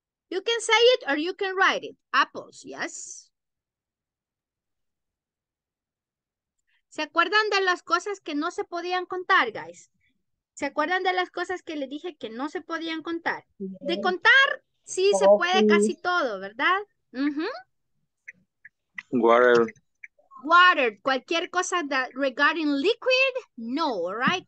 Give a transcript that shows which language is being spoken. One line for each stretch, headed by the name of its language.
English: You can say it or you can write it. Apples, yes.
Spanish: ¿Se acuerdan de las cosas que no se podían contar, guys? ¿Se acuerdan de las cosas que le dije que no se podían contar? De contar, sí, se puede casi todo, ¿verdad?
English: Uh-huh. Water. Water.
Spanish: Cualquier cosa
English: that regarding liquid, no, all right?